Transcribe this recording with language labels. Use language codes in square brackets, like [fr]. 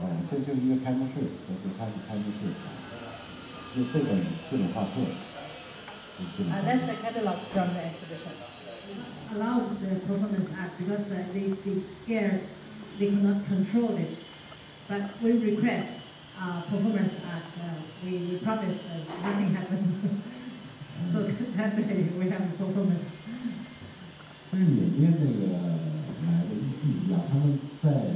[zh] 这就是一个开幕式，就开始开幕式，就这本画册。 [en] That's the catalog from the exhibition. Allow the performance art because they scared, they cannot control it. But we request performance art. We promise nothing happened. So that day we have performance. [zh] 在缅甸那个来的艺术家，他们在